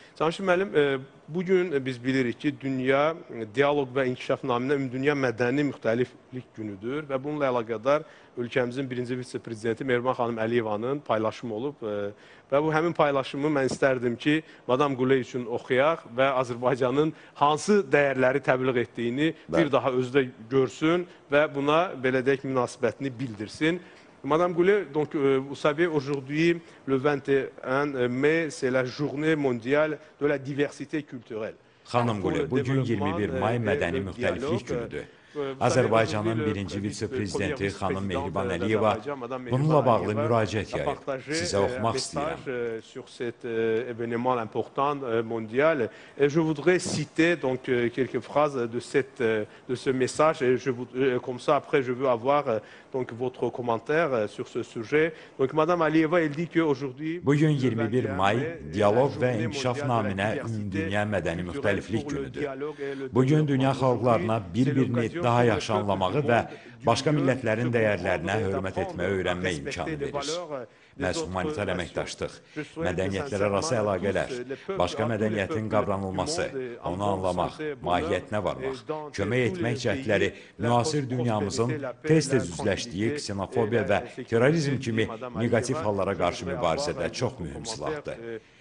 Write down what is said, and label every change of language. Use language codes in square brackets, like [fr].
[az] Cavanşir müəllim, bugün biz bilirik ki, dünya dialog və inkişaf naminə Ümumdünya Mədəni Müxtəliflik günüdür və bununla əlaqədar ölkəmizin birinci vice-prezidenti Mervan xanım Əliyevanın paylaşımı olub və bu həmin paylaşımı mən istərdim ki, Madam Qule üçün oxuyaq və Azərbaycanın hansı dəyərləri təbliğ etdiyini bir daha özü də görsün və buna belə deyək münasibətini bildirsin. [fr] Madame Goulet, donc vous savez, aujourd'hui, le 21 mai, c'est la journée mondiale de la diversité culturelle. [az] Xanım Goulet, bugün 21 May mədəni müxtəliflik günüdür. Azərbaycanın birinci vitse-prezidenti xanım Mehriban Əliyeva bununla bağlı müraciət yayıb. Sizə oxumaq istəyirəm. [fr] Sur cet événement important mondial et je voudrais citer donc quelques phrases de cette de ce message et je comme ça après je veux avoir donc votre commentaire sur ce sujet. Donc madame Əliyeva elle dit que aujourd'hui [az] bugün 21 may diyalog və inkişaf naminə dünya mədəni müxtəliflik günüdür. Bugün dünya xalqlarına bir-birini daha yaxşı anlamağı və başqa millətlərin dəyərlərinə hörmət etməyi öyrənmək imkanı verir. Məhz humanitar əməkdaşlıq, mədəniyyətlər arası əlaqələr, başqa mədəniyyətin qavranılması, onu anlamaq, mahiyyətinə varmaq, kömək etmək cəhdləri müasir dünyamızın tez-tez üzləşdiyi ksenofobiya və terrorizm kimi negatif hallara qarşı mübarizədə çox mühüm silahdır.